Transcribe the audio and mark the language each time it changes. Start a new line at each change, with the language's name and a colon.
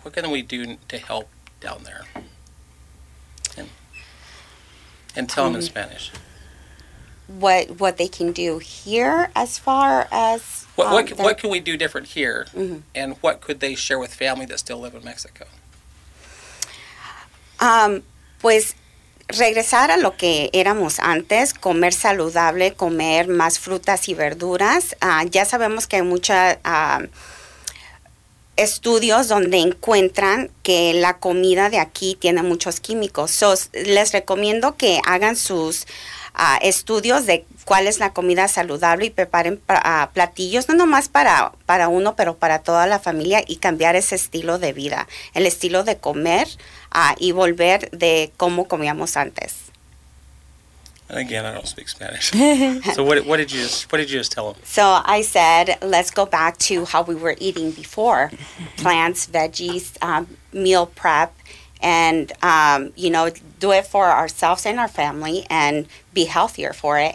English: What can we do to help down there? And tell them in Spanish. What they can do here as far as... What can we do different here? Mm-hmm. And what could they share with family that still live in Mexico?
Spanish: Regresar a lo que éramos antes, comer saludable, comer más frutas y verduras. Ya sabemos que hay mucha estudios donde encuentran que la comida de aquí tiene muchos químicos. So, les recomiendo que hagan sus estudios de cuál es la comida saludable y preparen platillos, no nomás para uno, pero para toda la familia, y cambiar ese estilo de vida, el estilo de comer y volver de cómo comíamos antes.
English: Again, I don't speak Spanish. So what did you just tell them? So I said, let's go back to how we were eating before. Plants, veggies, meal prep, and, you know, do it for ourselves and our family and be healthier for it.